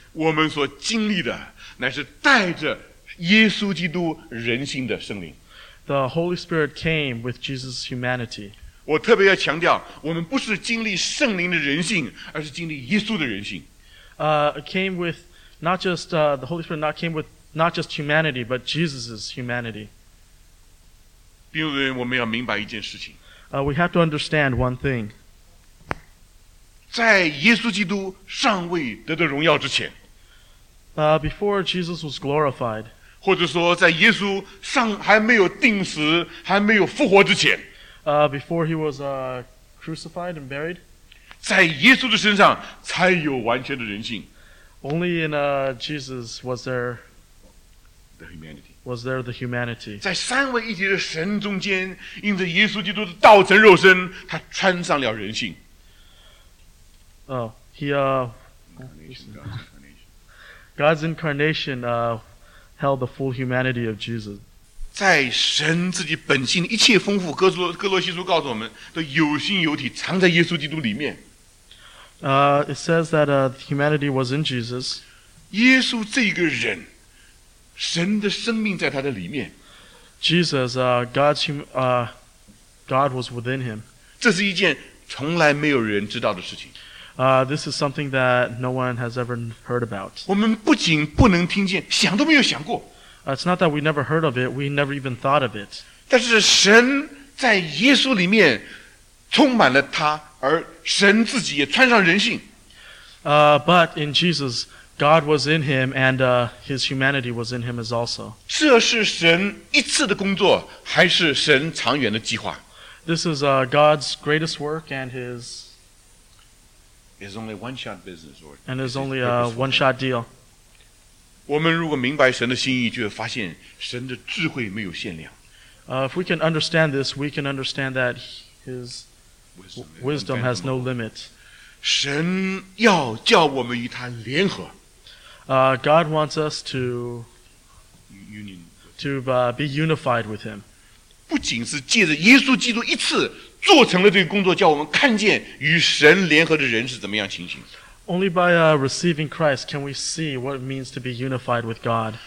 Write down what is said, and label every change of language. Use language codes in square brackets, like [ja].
[zh] 我们所经历的乃是带着耶稣基督人性的圣灵。 [en] The Holy Spirit came with Jesus' humanity. [zh] 我特别要强调，我们不是经历圣灵的人性，而是经历耶稣的人性。 [en] Came with not just the Holy Spirit, not came with. Not just humanity, but Jesus' humanity. [zh] 因为我们要明白一件事情。 [en] We have to understand one thing. [zh] 在耶稣基督尚未得到荣耀之前。 [en] Before Jesus was glorified. [zh] 或者说在耶稣尚还没有钉死，还没有复活之前。 [en] Before he was crucified and buried. [zh] 在耶稣的身上才有完全的人性。 [en] Only in Jesus was there... Was there the humanity? [zh] 在三位一体的神中间，因着耶稣基督的道成肉身，他穿上了人性。 [en] God's incarnation held the full humanity of Jesus. [zh] 在神自己本性一切丰富，哥罗西书告诉我们的有形有体藏在耶稣基督里面。 [en] It says that humanity was in Jesus. [zh] 耶稣这个人。神的生命在他的里面。 [en] Jesus, God was within him. [zh] 这是一件从来没有人知道的事情。 [en] This is something that no one has ever heard about. [zh] 我们不仅不能听见，想都没有想过。 [en] It's not that we never heard of it, we never even thought of it. [zh] 但是神在耶稣里面充满了他，而神自己也穿上人性。 [en] But in Jesus,God was in him, and his humanity was in him as also. [zh] 这是神一次的工作，还是神长远的计划？ [en] This is God's greatest work, and his is only one shot business, or and is only a one shot deal. [zh] 我们如果明白神的心意，就会发现神的智慧没有限量。 [en] If we can understand this, we can understand that his wisdom has no limit. [zh] 神要叫我们与他联合。 [en] God wants us to union to be unified with Him. [zh] 不仅是借着耶稣基督一次做成了这个工作，叫我们看见与神联合的人是怎么样情形。 [en] Only by receiving Christ can we see what it means to be unified with God.